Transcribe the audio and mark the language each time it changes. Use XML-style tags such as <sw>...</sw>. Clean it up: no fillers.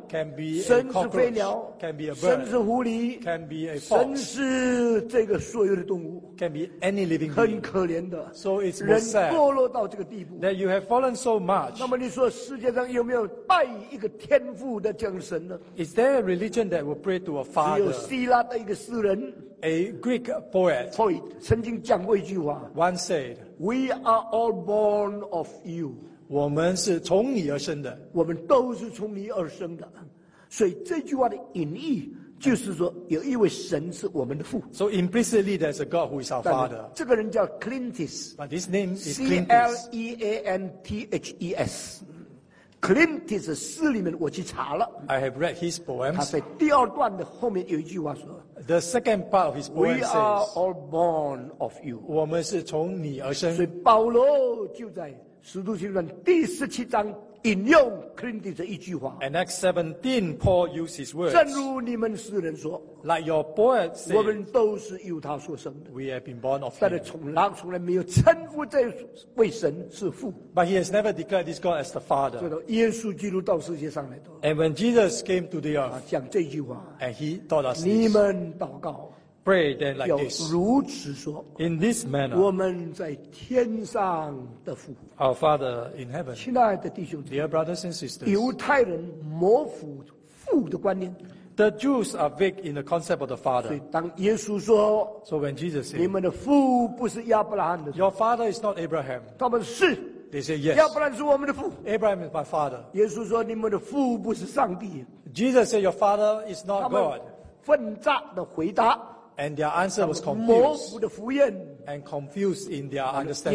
<en>can be a cockroach.</en> <zh>神是飞鸟，</zh> <en>can be a bird.</en> <zh>神是狐狸，</zh> <en>can be a fox.</en> <zh>神是这个所有的动物，</zh> <en>can be any living being.</en> <zh>很可怜的，</zh> <en>so it's more sad.</en> <zh>人堕落到这个地步，</zh> <en>that you have fallen so much.</en> <zh>那么你说世界上有没有拜一个天父的这样的神呢？</zh> <en>Is there a religion that will pray to a father?</en> <zh>只有希腊的一个诗人，</zh> <en>A Greek poet, poet</en> <zh>曾经讲过一句话，</zh> <en>once said, We are all born of you.</en> <zh>我们是从你而生的，我们都是从你而生的。所以这句话的隐意就是说有一位神是我们的父。</zh> <en>So implicitly there's a God who is our father.</en> <zh>这个人叫 Clintus,</zh> <en>but his name is</en> <zh>Clintus. Clintus 的诗里面我去查了，</zh> <en>I have read his poems.</en> <zh>他在第二段的后面有一句话说，</zh> <en>The second part of his poem says, We are all born of you.</en> <zh>我们是从你而生。所以保罗就在《使徒行传》第十七章引用 Clintus 的一句话，</zh> <en>And Acts 17 Paul used his words,</en> <zh>正如你们诗人说，</zh> <en>Like your poet said,</en> <zh>我们都是由他所生的，</zh> <en>We have been born of him.</en> <zh>但是从来没有称呼这位神是父，</zh> <en>But he has never declared this God as the Father.</en> <zh>耶稣基督到世界上来的，</zh> <en>And when Jesus came to the earth,</en> <zh>讲这句话，</zh> <en>And he taught us this,</en> <zh>你们祷告，</zh> <en>Pray then like this,</en> <zh>要如此说，</zh> <en>In this manner,</en> <zh>我们在天上的父，</zh> <en>Our Father in heaven.</en> <zh>亲爱的弟兄，</zh> <en>Dear brothers and sisters,</en> <zh>犹太人模糊父的观念，</zh> <en>The Jews are vague in the concept of the Father.</en> <zh>所以当耶稣说，</zh> <en>So when Jesus said,</en> <zh>你们的父不是亚伯拉罕的，</zh> <en>Your father is not Abraham.</en> <zh>他们是，</zh> <en>They say yes.</en> <zh>亚伯兰是我们的父。</zh> <en>Abraham is my father.</en> <zh>耶稣说你们的父不是上帝。</zh> <en>Jesus said your father is not God.</en> <zh>他们分杂地回答。</zh> <en>And their answer was confused. And confused in their understanding.</en>